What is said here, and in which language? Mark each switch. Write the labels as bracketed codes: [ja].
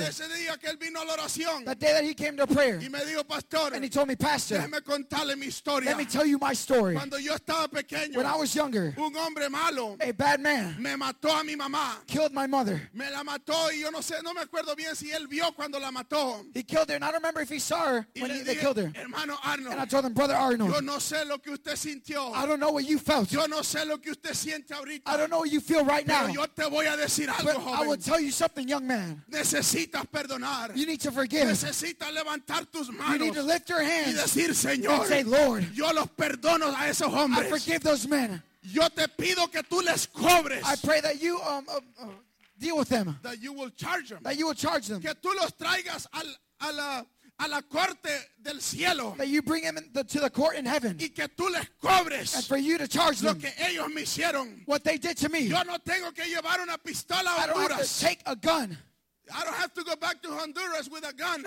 [es] Ese día que él vino a la oración. [en] That day that he came to prayer. [es] Y me dijo, pastor. [en] And he told me, pastor. [es] Déjeme contarle mi historia. [en] Let me tell you my story. [es] Cuando yo estaba pequeño. [en] When I was younger. [es] Un hombre malo. [en] A bad man. [es] Me mató a mi mamá. [en] Killed my mother. [es] Me la mató y yo no sé, no me acuerdo bien si él vio cuando la mató. [en] He killed her and I don't remember if he saw her when they killed her. [es] Hermano Arnold. [en] And I told him, Brother Arnold. [es] Yo no sé lo que usted sintió. [en] I don't know what you felt. [es] Yo no sé lo que usted siente ahorita. [en] I don't know what you feel right [es] pero [en] now. [es] Yo te voy a decir algo, [en] but [es] joven. [en] I will tell you something, young man. [es] Necesitas perdonar. [en] You need to forgive. [es] Necesitas levantar tus manos. [en] You need to lift your hands [es] y decir, Señor, [en] and say, Lord, [es] yo los perdono a esos hombres. [en] I forgive those men. [es] Yo te pido que tú les cobres. [en] I pray that you deal with them. That you will charge them. That you will charge them. [es] Que tú los traigas a la corte del cielo. [en] That you bring him to the court in heaven. [es] Y que tú les cobres. [en] And for you to charge [es] lo [en] them. [es] Que ellos me hicieron. [en] What they did to me. [es] Yo no tengo que llevar una pistola a Honduras. [en] I don't have to take a gun. I don't have to go back to Honduras with a gun.